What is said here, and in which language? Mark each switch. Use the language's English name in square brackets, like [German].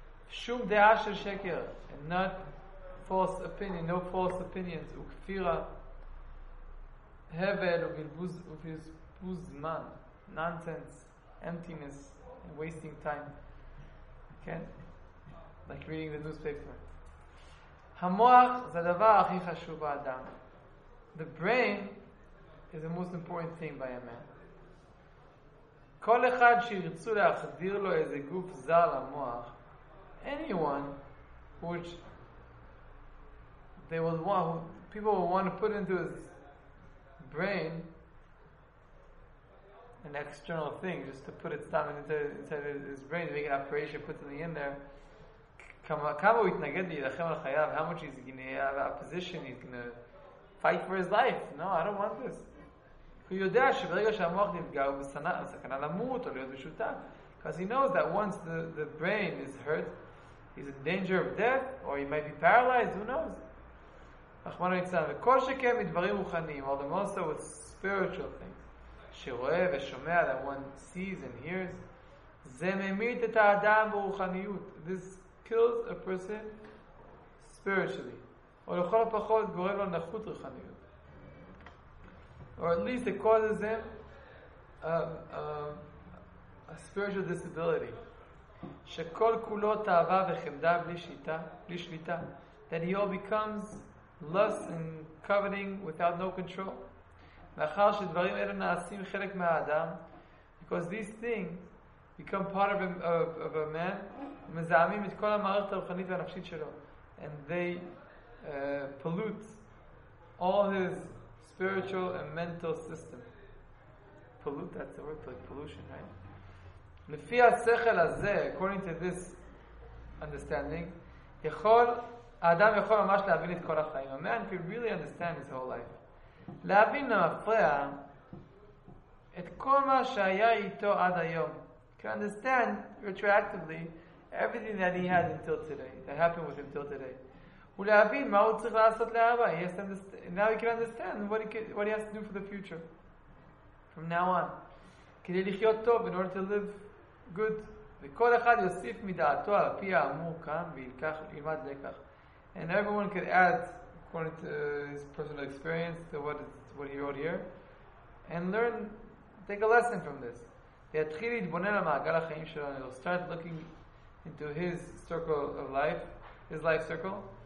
[Hebrew] שום דעה של שקר, [English] and not false opinion, no false opinions. [Hebrew] וכפירה, הבל ובלבוז זמן, [English] nonsense, emptiness, and wasting time. Okay? Like reading the newspaper. [Hebrew] המוח זה הדבר הכי חשוב באדם. [English] The brain is the most important thing by a man. [Hebrew] כל אחד שירצו להחדיר לו איזה גוף זר למוח, [English] anyone which they would want, people would want to put into his brain an external thing, just to put it down inside his brain, make an operation, put something in there. [Hebrew] כמה הוא יתנגד להילחם על חייו, [English] how much he's going to have a position, he's going to fight for his life. No, I don't want this. [Hebrew] הוא יודע שברגע שהמוח נפגע הוא בסכנה למות או להיות משותף. [English] Because he knows that once the brain is hurt, he's in danger of death, or he might be paralyzed, who knows? [Hebrew] רחמנא ליצלן, וכל שכן מדברים רוחניים, [English] or the most of spiritual things, [Hebrew] שרואה ושומע, [English] that one sees and hears, [Hebrew] זה ממית את האדם ברוחניות. [English] This kills a person spiritually. [Hebrew] Or לכל הפחות גורם לו נחות רוחניות. [English] Or at least it causes him a spiritual disability. [Hebrew] שכל כולו תאווה וחמדה בלי שליטה, בלי שליטה. [English] That he all becomes lust and coveting without no control. [Hebrew] מאחר שדברים אלה נעשים חלק מהאדם, [English] because these things become part of a man, [Hebrew] מזעמים את כל המערכת הרוחנית והנפשית שלו, [English] and they pollute all his spiritual and mental system. Pollute, that's the word, like pollution, right? [Hebrew] לפי השכל הזה, [English] according to this understanding, [Hebrew] האדם יכול ממש להבין את כל החיים. [English] A man can really understand his whole life. [Hebrew] להבין למפרע את כל מה שהיה איתו עד היום. [English] To understand retroactively everything that he had until today, that happened with him till today. [Hebrew] ולהבין מה הוא צריך לעשות לאבא. [English] He has to understand. Now he can understand what he has to do for the future. From now on. [Hebrew] כדי לחיות טוב, [English] in order to live good. [Hebrew] וכל אחד יוסיף מדעתו על פי האמור כאן, וילקח, ילמד לקח. [English] And everyone can add, according to his personal experience, to what he wrote here, and learn, take a lesson from this. [Hebrew] יתחיל להתבונן על מעגל החיים שלו, [English] and he'll start looking into his circle of life, his life circle.